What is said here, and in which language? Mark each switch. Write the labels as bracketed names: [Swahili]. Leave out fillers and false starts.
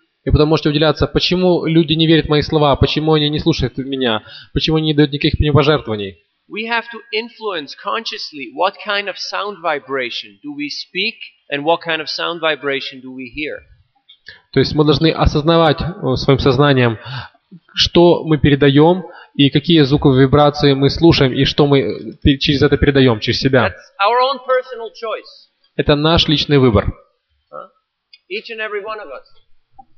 [Russian] И потом можете удивляться, почему люди не верят в мои слова, почему они не слушают меня, почему они не дают никаких мне пожертвований. [English] We have to influence consciously what kind of sound vibration do we speak and what kind of sound vibration do we hear. [Russian] То есть мы должны осознавать своим сознанием, что мы передаем и какие звуковые вибрации мы слушаем и что мы через это передаем, через себя. [English] That's our own personal choice. [Russian] Это наш личный выбор. [English] Each and every one of us.